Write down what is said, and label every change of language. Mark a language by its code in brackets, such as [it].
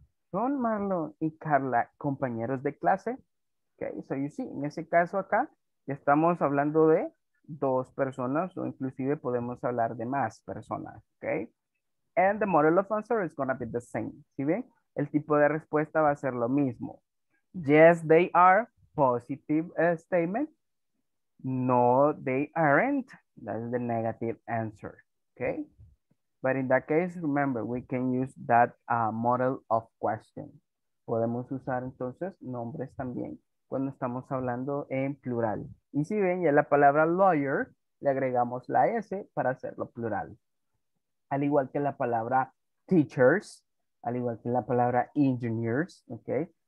[es] ¿Son Marlon y Carla compañeros de clase? Ok, [en] so you see, [es] en ese caso acá ya estamos hablando de dos personas o inclusive podemos hablar de más personas, ok. [en] And the model of answer is going to be the same, [es] ¿sí ven? El tipo de respuesta va a ser lo mismo. [en] Yes, they are, positive statement. No, they aren't, that's the negative answer, ok. But in that case, remember, we can use that model of question. [es] Podemos usar entonces nombres también cuando estamos hablando en plural. Y si ven, ya la palabra lawyer, le agregamos la S para hacerlo plural. Al igual que la palabra teachers, al igual que la palabra engineers, ¿ok?